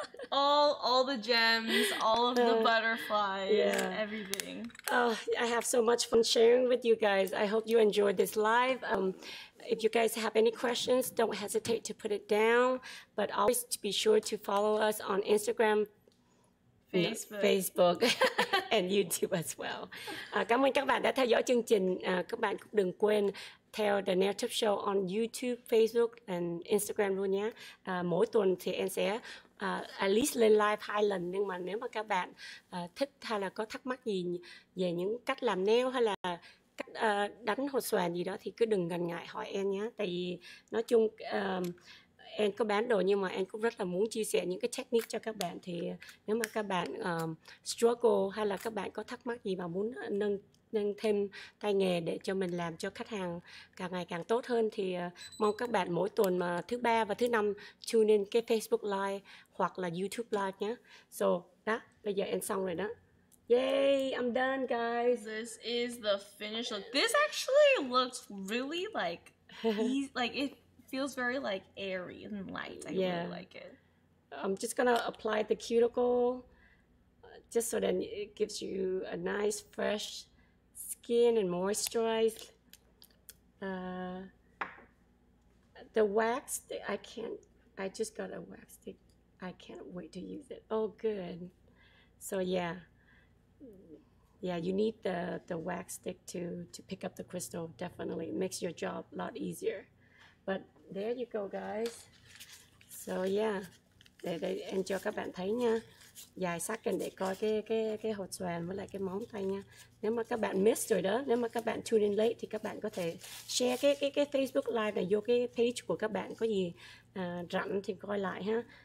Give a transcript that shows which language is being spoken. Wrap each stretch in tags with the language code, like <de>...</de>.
<en>All the gems, all of the butterflies, yeah. Everything. Oh, I have so much fun sharing with you guys. I hope you enjoyed this live. If you guys have any questions, don't hesitate to put it down. But always be sure to follow us on Instagram, Facebook. And YouTube as well.</en> <vi>Cảm ơn các bạn đã theo dõi chương trình. Các bạn cũng đừng quên theo The Nail Tip Show on YouTube, Facebook and Instagram luôn nhé. Mỗi tuần thì em sẽ</vi> <en>at least</en> <vi>lên live 2 lần. Nhưng mà nếu mà các bạn thích hay là có thắc mắc gì về những cách làm nail hay là cách đánh hột xoàn gì đó thì cứ đừng ngần ngại hỏi em nhé. Tại vì nói chung em có bán đồ nhưng mà em cũng rất là muốn chia sẻ những cái technique cho các bạn. Thì nếu mà các bạn struggle hay là các bạn có thắc mắc gì mà muốn nâng thêm tay nghề để cho mình làm cho khách hàng càng ngày càng tốt hơn, thì mong các bạn mỗi tuần mà thứ ba và thứ năm tune in cái Facebook Live hoặc là YouTube Live nhé. So, đó, bây giờ em xong rồi đó.</vi> <en>Yay, I'm done, guys. This is the finish look. This actually looks really like it feels very like airy and light. I really like it. I'm just gonna apply the cuticle just so then it gives you a nice fresh skin and moisturize. The wax stick, I just got a wax stick. I can't wait to use it. Oh, good. So yeah. Yeah, you need the wax stick to pick up the crystal. Definitely makes your job a lot easier. But there you go, guys. So yeah,</en> <vi>để em cho các bạn thấy nha. Dài sát kênh để coi cái hột xoàn với lại cái móng tay nha. Nếu mà các bạn miss rồi đó, nếu mà các bạn</vi> <en>tune in late</en> <vi>thì các bạn có thể share cái Facebook Live này vô cái page của các bạn, có gì rảnh thì coi lại ha.</vi>